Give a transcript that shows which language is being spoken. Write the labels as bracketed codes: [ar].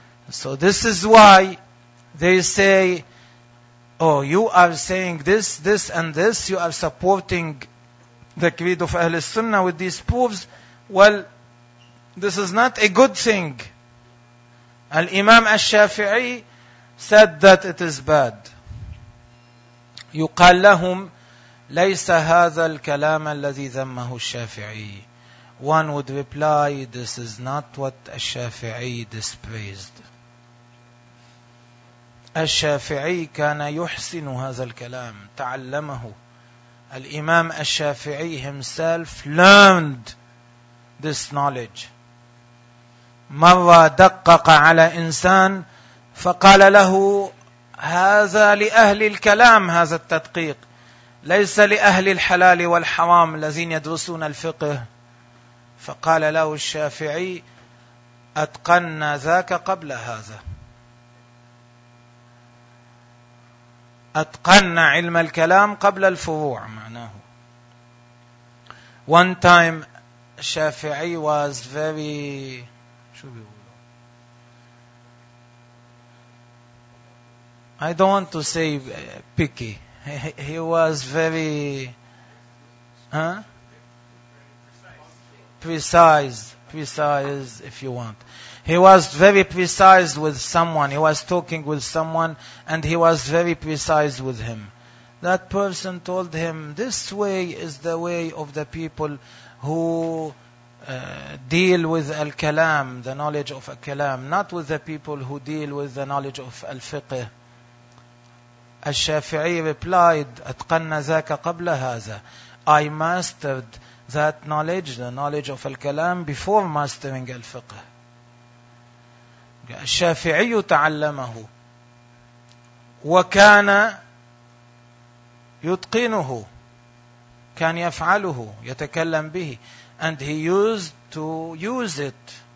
[en] So this is why they say, oh, you are saying this, this and this, you are supporting the creed of Ahl Sunnah with these proofs. Well, this is not a good thing. Al-Imam al-Shafi'i said that it is bad. [ar] يقال لهم ليس هذا الكلام الذي ذمه الشافعي. [en] One would reply, this is not what الشافعي despised. [ar] الشافعي كان يحسن هذا الكلام, تعلمه. [en] الإمام الشافعي himself learned this knowledge. [ar] مرة دقق على إنسان فقال له هذا لأهل الكلام, هذا التدقيق ليس لأهل الحلال والحرام الذين يدرسون الفقه. فقال له الشافعي أتقن ذاك قبل هذا, أتقن علم الكلام قبل الفروع. معناه, [en] one time الشافعي was very, I don't want to say picky. He was very precise, if you want. He was very precise with someone. He was talking with someone and he was very precise with him. That person told him, this way is the way of the people who deal with al-kalam, the knowledge of al-kalam, not with the people who deal with the knowledge of al-fiqh. Al-Shafi'i replied, [ar] أَتْقَنَّ ذَاكَ قَبْلَ هَذَا. [en] I mastered that knowledge, the knowledge of al-kalam, before mastering al-fiqh. [ar] الشافعي تعلمه وكان يتقنه كان يفعله يتكلم به [en] and he used to use it